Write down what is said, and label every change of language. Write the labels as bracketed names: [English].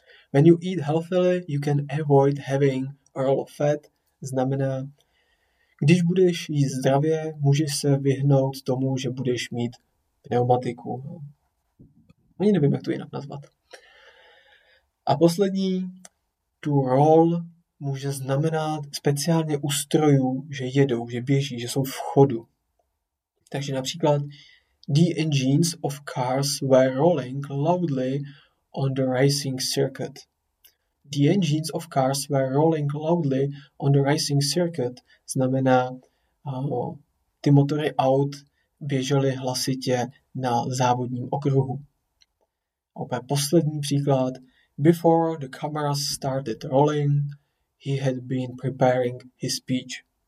[English] When you eat healthily, you can avoid having a roll of fat. [Czech] Znamená, když budeš jíst zdravě, můžeš se vyhnout tomu, že budeš mít pneumatiku. Ani nevím, jak to jinak nazvat. A poslední, to roll může znamenat speciálně u strojů, že jedou, že běží, že jsou v chodu. Takže například, [English] the engines of cars were rolling loudly on the racing circuit. The engines of cars were rolling loudly on the racing circuit. [Czech] Znamená, ty motory aut běžely hlasitě na závodním okruhu. Opět poslední příklad. [English] Before the cameras started rolling, he had been preparing his speech.